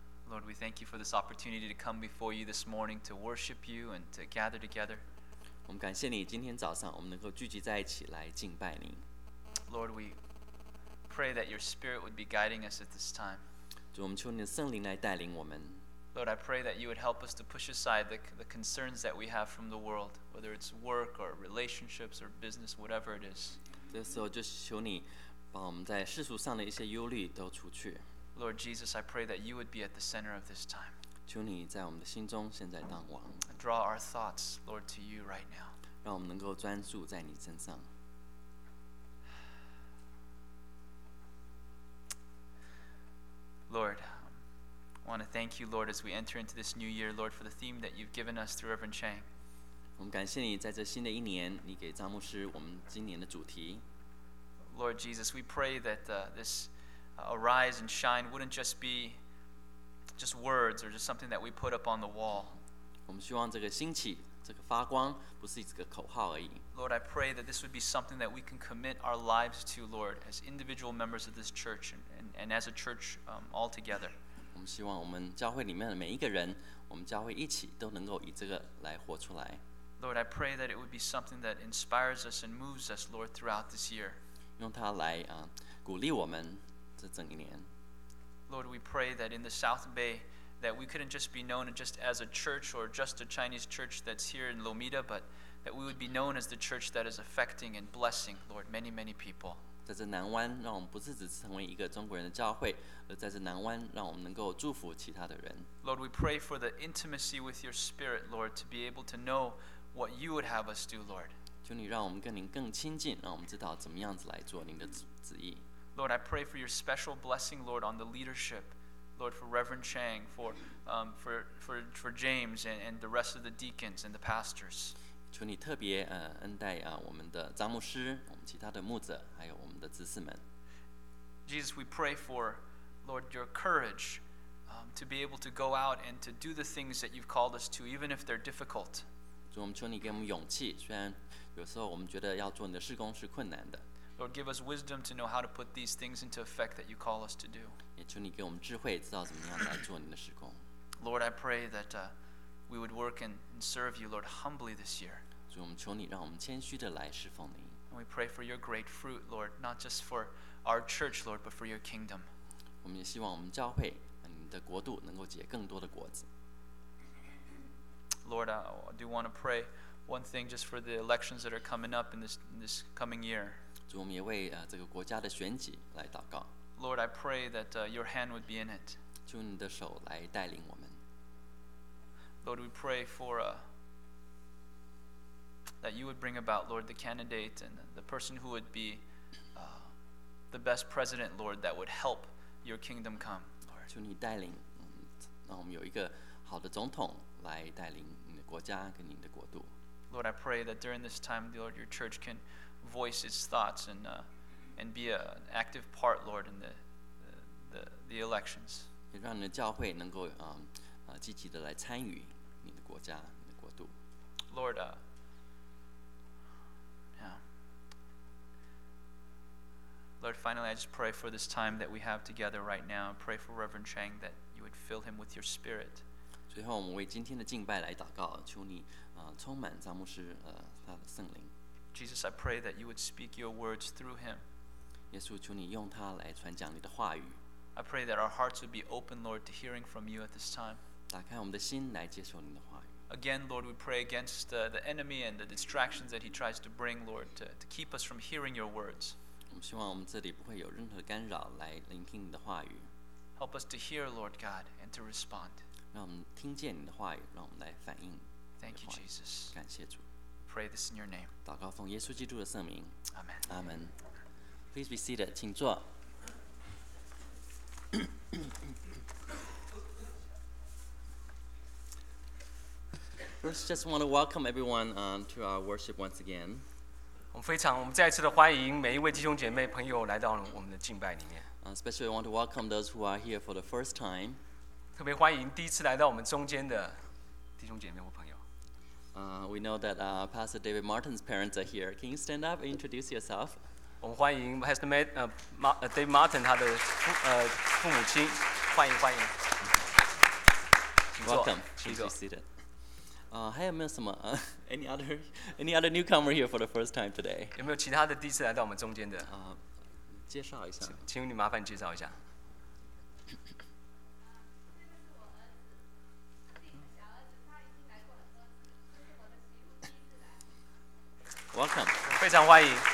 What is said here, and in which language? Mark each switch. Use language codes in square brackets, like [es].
[en] Lord, we thank you for this opportunity to come before you this morning to worship you and to gather together. [zh] 我们感谢你今天早上我们能够聚集在一起来敬拜你。 [en] Lord, we pray that your spirit would be guiding us at this time. [zh] 主，我们求你的圣灵来带领我们。 [en] Lord, I pray that you would help us to push aside the concerns that we have from the world, whether it's work or relationships or business, whatever it is. [zh] 这时候就求你把我们在世俗上的一些忧虑都除去。 [en] Lord Jesus, I pray that you would be at the center of this time. [zh] 求你在我们的心中现在当王。 [en] Draw our thoughts, Lord, to you right now. [zh] 让我们能够专注在你身上。 [en] Lord, I want to thank you, Lord, as we enter into this new year, Lord, for the theme that you've given us through Reverend Chang. [zh] 我们感谢你在这新的一年，你给张牧师我们今年的主题。 [en] Lord Jesus, we pray that this arise and shine wouldn't just be just words or just something that we put up on the wall. [zh] 我们希望这个兴起，这个发光，不是一个口号而已。 [en] Lord, I pray that this would be something that we can commit our lives to, Lord, as individual members of this church and as a church all together. [zh] 我们希望我们教会里面的每一个人，我们教会一起都能够以这个来活出来。 [en] Lord, I pray that it would be something that inspires us and moves us, Lord, throughout this year. [zh] 用它来鼓励我们这整一年。 [en] Lord, we pray that in the South Bay, that we couldn't just be known just as a church or just a Chinese church that's here in Lomita, but that we would be known as the church that is affecting and blessing, Lord, many, many people. [zh] 在这南湾，让我们不是只成为一个中国人的教会，而在这南湾，让我们能够祝福其他的人。 [en] Lord, we pray for the intimacy with your spirit, Lord, to be able to know what you would have us do, Lord. [zh] 求你让我们跟您更亲近，让我们知道怎么样子来做您的旨意。 [en] Lord, I pray for your special blessing, Lord, on the leadership. Lord, for Reverend Chang, for James and the rest of the deacons and the pastors. [zh] 求你特别恩待我们的张牧师，我们其他的牧者，还有我们的执事们。 [en] Jesus, we pray for, Lord, your courage to be able to go out and to do the things that you've called us to, even if they're difficult. [zh] 主，我们求你给我们勇气，虽然有时候我们觉得要做你的事工是困难的。 [en] Lord, give us wisdom to know how to put these things into effect that you call us to do. [zh] 也求你给我们智慧，知道怎么样来做你的事工。 [en] Lord, I pray that we would work and serve you, Lord, humbly this year. [zh] 主，我们求你让我们谦虚的来侍奉你。 [en] And we pray for your great fruit, Lord, not just for our church, Lord, but for your kingdom. [zh] 我们也希望我们教会你的国度能够结更多的果子。 [en] Lord, I do want to pray one thing just for the elections that are coming up in this coming year. [zh] 主，我们也为这个国家的选举来祷告。 [en] Lord, I pray that your hand would be in it. [zh] 求你的手来带领我们。 [en] Lord, we pray for that you would bring about, Lord, the candidate and the person who would be the best president, Lord, that would help your kingdom come. [zh] 求你带领，让我们有一个好的总统来带领你的国家跟你的国度。 [en] Lord, I pray that during this time, Lord, your church can. Voice its thoughts and be an active part, Lord, in the elections. [zh] 也让你的教会能够积极的来参与你的国家、你的国度。 [en] Lord, Lord, finally, I just pray for this time that we have together right now. Pray for Reverend Chang that you would fill him with your spirit. [zh] 最后，我们为今天的敬拜来祷告，求你充满张牧师他的圣灵。 [en] Jesus, I pray that you would speak your words through him. [zh] 耶稣，求你用他来传讲你的话语。 [en] I pray that our hearts would be open, Lord, to hearing from you at this time. [zh] 打开我们的心来接受你的话语。 [en] Again, Lord, we pray against the enemy and the distractions that he tries to bring, Lord, to keep us from hearing your words. [zh] 我们希望我们这里不会有任何干扰来聆听你的话语。 [en] Help us to hear, Lord God, and to respond. [zh] 让我们听见你的话语，让我们来反应。 [en] Thank you, Jesus. [zh] 感谢主。 [en] Pray this in your name. [zh] 祷告奉耶稣基督的圣名。 [en] Amen. Amen. Please be seated. [zh] 请坐。 [en] First, just want to welcome everyone to our worship once again. [zh] 我们再次的欢迎每一位弟兄姐妹朋友来到我们的敬拜里面。 [en] Especially, I want to welcome those who are here for the first time. [zh] 特别欢迎第一次来到我们中间的弟兄姐妹或朋友。 [en] We know that Pastor David Martin's parents are here. Can you stand up and introduce yourself? [zh] 我们欢迎 Pastor Dave Martin 他的父母亲，欢迎。 [en] Welcome. Please be seated. Any other newcomer here for the first time today? [zh] 有没有其他的第一次来到我们中间的？介绍一下。请你麻烦介绍一下。 [en] Welcome. [zh] 非常欢迎。